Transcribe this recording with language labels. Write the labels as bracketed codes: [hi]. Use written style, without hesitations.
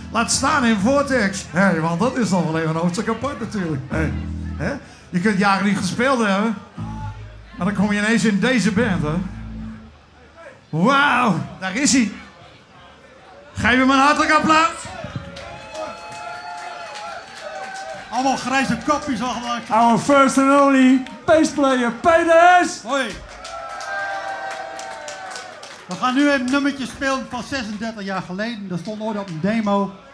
[nl] Laat staan in Vortex. Hé, hey, want dat is dan wel even een hoofdstuk apart natuurlijk. Hey. He? Je kunt jaren niet gespeeld hebben, maar dan kom je ineens in deze band, hè? Wauw, daar is hij. Geef hem een hartelijk applaus. Allemaal grijze kopjes al gemaakt. [en] Our first and only bass player, Peter Hess. [nl] Hoi. We gaan nu een nummertje spelen van 36 jaar geleden. Dat stond ooit op een demo.